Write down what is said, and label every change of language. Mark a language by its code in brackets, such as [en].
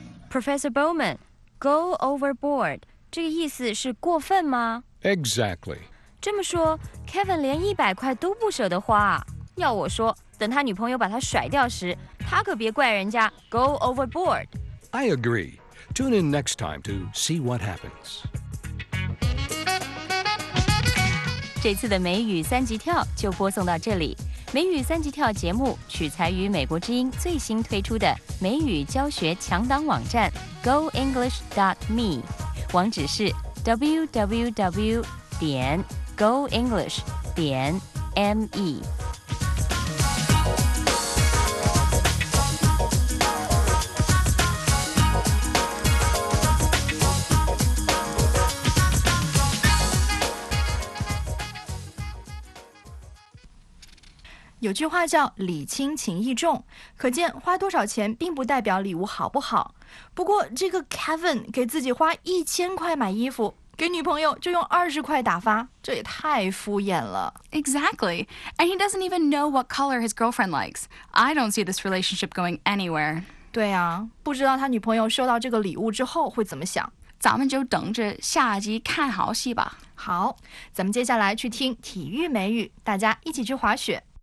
[en] Professor Bowman, go overboard. [zh] 这个意思是过分吗? [en] Exactly. [zh] 这么说, Kevin 连100块都不舍得花啊。要我说,等他女朋友把他甩掉时,他可别怪人家, [en] go overboard. I agree. Tune in next time to see what happens. [zh] 这次的美语三级跳就播送到这里。美语三级跳节目取材于美国之音最新推出的美语教学强档网站 goenglish.me， 网址是 www.goenglish.me。有句话叫礼轻情意重，可见花多少钱并不代表礼物好不好。不过这个 Kevin 给自己花1000块买衣服，给女朋友就用20块打发，这也太敷衍了。 [en] Exactly. And he doesn't even know what color his girlfriend likes. I don't see this relationship going anywhere. [zh] 对啊，不知道他女朋友收到这个礼物之后会怎么想。咱们就等着下集看好戏吧。好，咱们接下来去听体育美语，大家一起去滑雪。